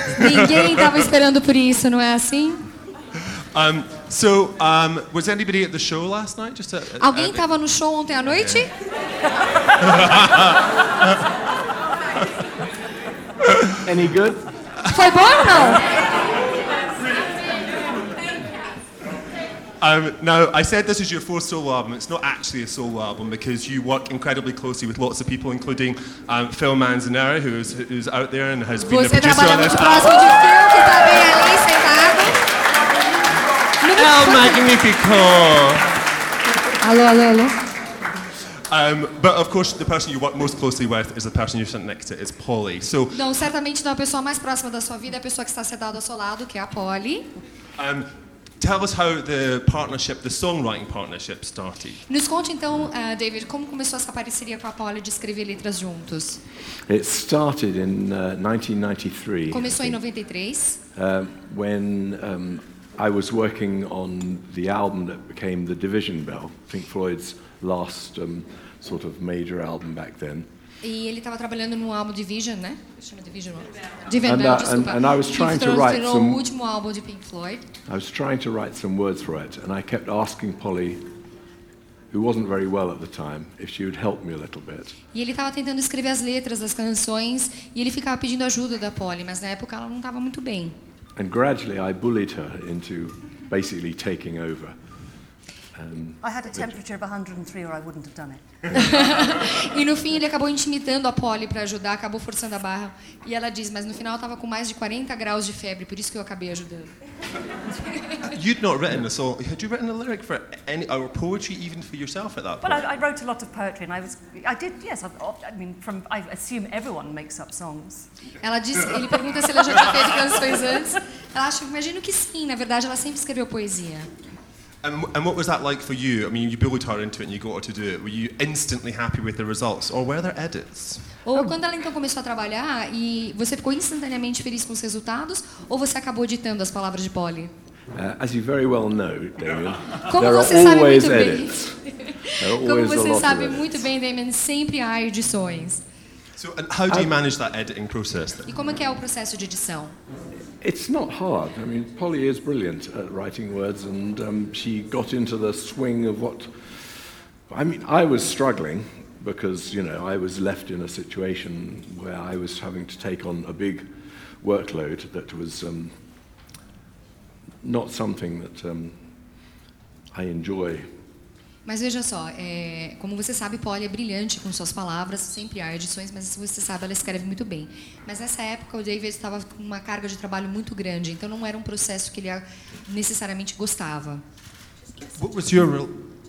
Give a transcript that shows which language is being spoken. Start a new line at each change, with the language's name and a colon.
Portuguese: Ninguém estava esperando por isso, não é assim?
English: So, was anybody at the show last night? Just a,
Portuguese: alguém estava no show ontem à noite?
English: Any good?
Portuguese: Foi bom ou não?
English: Now, I said this is your fourth solo album. It's not actually a solo album because you work incredibly closely with lots of people, including Phil Manzanera, who's out there and has
Portuguese: você
English: been a producer on this album.
Portuguese: Você trabalha muito próximo de Phil, que está bem ali sentado.
Spanish: El Magnifico!
Portuguese: Alô, alô, alô.
English: But of course, the person you work most closely with is the person you're sitting next to, is Polly. So,
Portuguese: não, certamente não a pessoa mais próxima da sua vida é a pessoa que está sentada ao seu lado, que é a Polly.
English: Tell us how the partnership, the songwriting partnership, started.
Portuguese: Nos conte então, David, como começou essa parceria com a Polly de escrever letras juntos?
English: It started in 1993.
Portuguese: Começou em 93.
English: When I was working on the album that became The Division Bell, Pink Floyd's last sort of major album back then.
Portuguese: E ele estava trabalhando no álbum Division, né? Chama Division.
English: And I was trying to write some.
Portuguese: O último álbum de Pink Floyd.
English: I was trying to write some words for it, and I kept asking Polly, who wasn't very well at the time, if she would help me a little bit.
Portuguese: E ele estava tentando escrever as letras das canções, e ele ficava pedindo ajuda da Polly, mas na época ela não estava muito bem.
English: And gradually I bullied her into basically taking over. I had a temperature of 103 or I wouldn't have done it.
Portuguese: E no fim ele acabou intimidando a Polly para ajudar, acabou forçando a barra. E ela diz, mas no final eu estava com mais de 40 graus de febre, por isso que eu acabei ajudando.
English: You'd not written a song. Had you written a lyric for any or poetry even for yourself at that point? Well, I wrote a lot of poetry and I assume everyone makes up songs.
Portuguese: Ela diz, ele pergunta se ela já tinha feito canções antes. Ela acha, imagino que sim, na verdade ela sempre escreveu poesia.
English: And what was that like for you? I mean, you bullied her into it and you got her to do it. Were you instantly happy with the results? Or were there edits?
Portuguese: Ou quando ela então começou a trabalhar e você ficou instantaneamente feliz com os resultados ou você acabou editando as palavras de Polly?
English: As you very well know, Damien,
Portuguese: como
English: there
Portuguese: você
English: are
Portuguese: sabe
English: always
Portuguese: muito
English: edits.
Portuguese: Como você sabe muito bem, Damien, sempre há edições.
English: So, and how do you manage that editing process then?
Portuguese: E como é que é o processo de edição?
English: It's not hard. I mean, Polly is brilliant at writing words, and she got into the swing of what. I mean, I was struggling because, you know, I was left in a situation where I was having to take on a big workload that was not something that I enjoy.
Portuguese: Mas veja só, como você sabe, Polly é brilhante com suas palavras, sempre há edições, mas você sabe, ela escreve muito bem. Mas nessa época, o David estava com uma carga de trabalho muito grande, então não era um processo que ele necessariamente gostava.
English: What was your role?